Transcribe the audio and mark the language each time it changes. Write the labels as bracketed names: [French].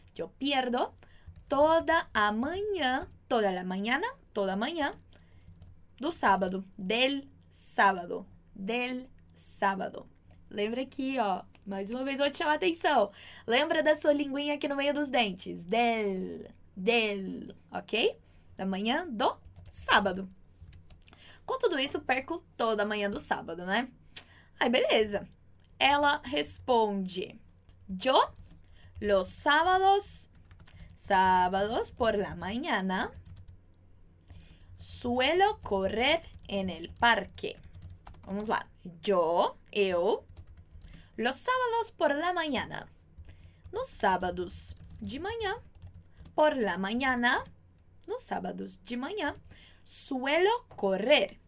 [Spanish] yo pierdo toda la mañana, toda la mañana, toda mañana [Portuguese] do sábado, [Spanish] del sábado, del sábado. [Portuguese] Lembra aqui, ó, mais uma vez vou te chamar a atenção. Lembra da sua linguinha aqui no meio dos dentes, del, del, ok? Da manhã do sábado. Com tudo isso, perco toda a manhã do sábado, né? Aí, beleza. Ela responde, [Spanish] yo los sábados, sábados por la mañana, suelo correr en el parque. [Portuguese] Vamos lá. [Spanish] Eu, los sábados por la mañana, [Portuguese] nos sábados de manhã, [Spanish] por la mañana, nos sábados de manhã, suelo correr.